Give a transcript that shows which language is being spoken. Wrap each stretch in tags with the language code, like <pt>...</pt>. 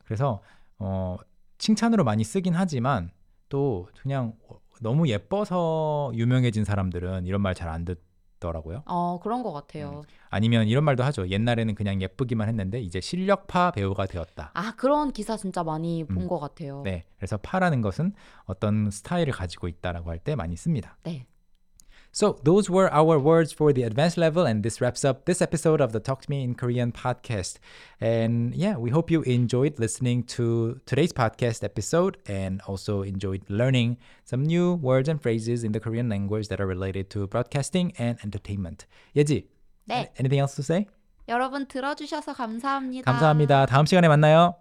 <ko>그래서 칭찬으로 많이 쓰긴 하지만 또 그냥 너무 예뻐서 유명해진 사람들은 이런 말 잘 안 듣더라고요. 그런 것 같아요. 아니면 이런 말도 하죠. 옛날에는 그냥 예쁘기만 했는데 이제 실력파 배우가 되었다. 아, 그런 기사 진짜 많이 본 것 같아요. 네. 그래서 파라는 것은 어떤 스타일을 가지고 있다라고 할 때 많이 씁니다. 네.</ko> <en>So those were our words for the advanced level, and this wraps up this episode of the Talk to Me in Korean podcast. And yeah, we hope you enjoyed listening to today's podcast episode and also enjoyed learning some new words and phrases in the Korean language that are related to broadcasting and entertainment.</en> <ko>예지, 네.</ko> <en>Anything else to say?</en> <ko>여러분 들어주셔서 감사합니다. 감사합니다. 다음 시간에 만나요.</ko>